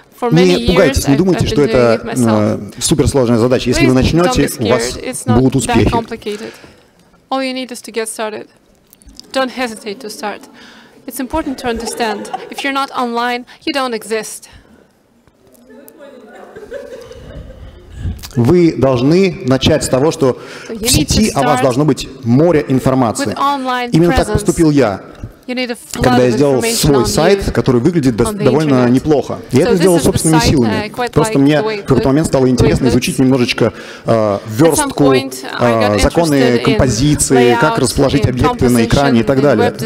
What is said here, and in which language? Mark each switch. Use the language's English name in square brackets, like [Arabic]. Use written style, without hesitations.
[Russian] Не пугайтесь, не думайте, что это суперсложная задача. Если вы начнете, у вас будут успехи. [English] All you need is to get started. Don't hesitate to start. It's important to understand, if you're not online, you don't exist. [Russian] Вы должны начать с того, что в сети о вас должно быть море информации. Именно так поступил я, когда я сделал свой сайт, который выглядит довольно неплохо. Я это сделал собственными силами. Просто мне в какой-то момент стало интересно изучить немножечко верстку, законы композиции, как расположить объекты на экране и так далее.